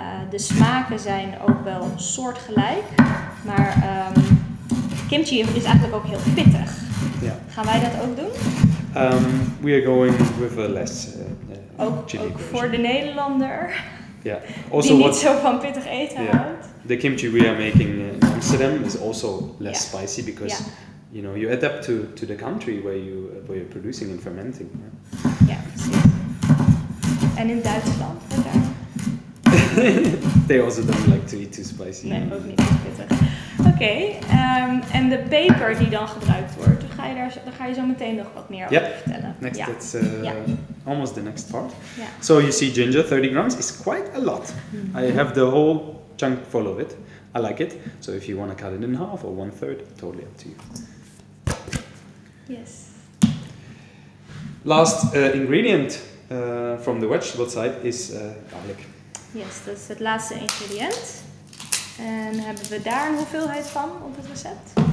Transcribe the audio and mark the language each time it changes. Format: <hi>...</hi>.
<nl>De smaken zijn ook wel soortgelijk. Maar kimchi is eigenlijk ook heel pittig. Ja. Gaan wij dat ook doen?</nl> <en>We are going with a less</en> <nl>ook,</nl> <en>chili.</en> <nl>Ook voor de Nederlander.</nl> <en>Yeah. Also,</en> <nl>die niet zo van pittig eten houdt.</nl> <en>The kimchi we are making in Amsterdam is also less spicy because you know you adapt to the country where you're producing and fermenting.</en> <nl>Ja, precies. En in Duitsland, daar.</nl> <en>They also don't like to eat too spicy.</en> <nl>Nee, ook niet te pittig. Oké, en de peper die dan gebruikt wordt, daar ga je zo meteen nog wat meer over vertellen.</nl> <en>Next, that's almost the next part. Yeah. So you see ginger, 30 grams is quite a lot. Mm-hmm. I have the whole chunk full of it. I like it. So if you want to cut it in half or one third, totally up to you. Yes. Last ingredient from the vegetable side is garlic. Yes,</en> <nl>dat is het laatste ingrediënt. En hebben we daar een hoeveelheid van op het recept?</nl>